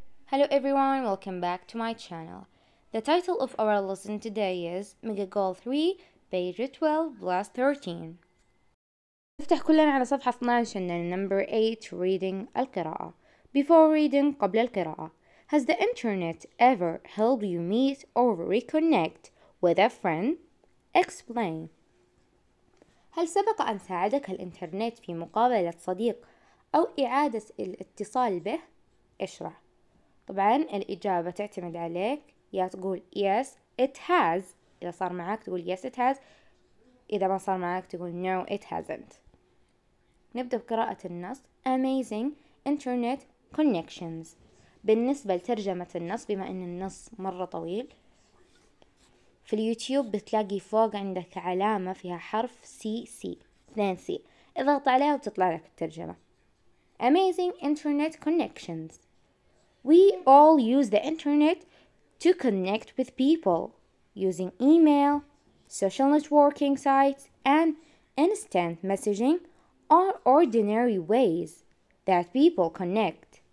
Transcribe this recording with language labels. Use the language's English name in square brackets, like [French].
[English] Hello everyone, welcome back to my channel. The title of our lesson today is Mega Goal 3, page 12, last 13. [Arabic] نفتح كلنا على صفحة 12 عندنا [English] number 8 reading [Arabic] القراءة. [English] Before reading [Arabic] قبل القراءة. [English] Has the internet ever helped you meet or reconnect with a friend? Explain. [Arabic] هل سبق أن ساعدك الإنترنت في مقابلة صديق أو إعادة الاتصال به؟ اشرح. طبعا الإجابة تعتمد عليك، يا تقول [English] yes it has، [Arabic] إذا صار معك تقول yes it has، إذا ما صار معك تقول [English] no it hasn't. [Arabic] نبدأ بقراءة النص. [English] Amazing internet connections. [Arabic] بالنسبة لترجمة النص، بما أن النص مرة طويل، في اليوتيوب بتلاقي فوق عندك علامة فيها حرف CC، اثنين C، اضغط عليها وتطلع لك الترجمة. [English] Amazing internet connections. We all use the internet to connect with people using email, social networking sites, and instant messaging are ordinary ways that people connect.